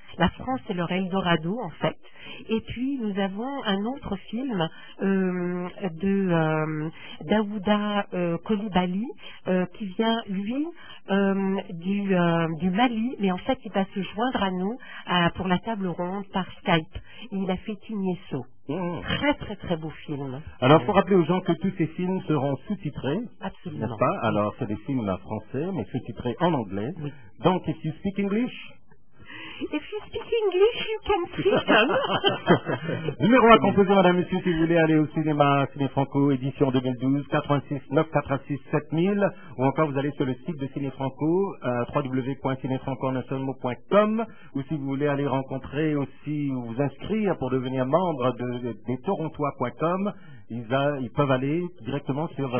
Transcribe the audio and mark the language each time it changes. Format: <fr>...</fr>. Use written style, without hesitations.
<fr>La France est leur Eldorado, en fait. Et puis, nous avons un autre film d'Aouda Koulibaly qui vient, lui, du Mali, mais en fait, il va se joindre à nous pour la table ronde par Skype. Il a fait Tignesso. Très, très, très beau film. Alors, pour rappeler aux gens que tous ces films seront sous-titrés. Absolument. N'est-ce pas? Alors, c'est des films en français, mais sous-titrés en anglais. Oui.</fr> <en>Donc, if you speak English... If you speak English, you can see them.</en> <fr>Numéro à composer, madame, monsieur, si vous voulez aller au cinéma, Ciné Franco, édition 2012, 86 986 7000, ou encore vous allez sur le site de Ciné Franco, www.cinéfranco.com, ou si vous voulez aller rencontrer aussi, ou vous inscrire pour devenir membre de torontois.com, ils peuvent aller directement sur</fr>